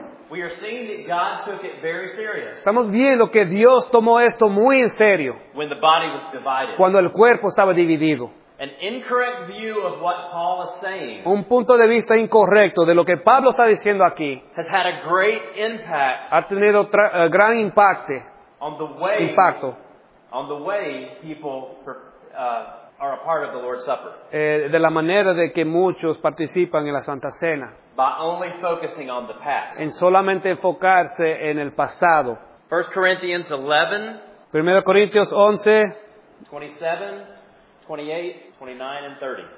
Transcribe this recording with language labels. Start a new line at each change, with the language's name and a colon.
English: We are seeing that God took it very serious.
Spanish: Estamos viendo que Dios tomó esto muy en serio.
English: When the body was divided.
Spanish: Cuando el cuerpo estaba dividido.
English: An incorrect view of what Paul is saying.
Spanish: Un punto de vista incorrecto de lo que Pablo está diciendo aquí.
English: Has had a great impact.
Spanish: Ha tenido gran impacto.
English: On the way.
Spanish: Impacto.
English: On the way people are a part of the Lord's Supper.
Spanish: De la manera de que muchos participan en la Santa Cena.
English: By only focusing on the past.
Spanish: En solamente enfocarse en el pasado.
English: 1 Corinthians 11.
Spanish: 1 Corintios 11.
English: 27, 28, 29 and 30.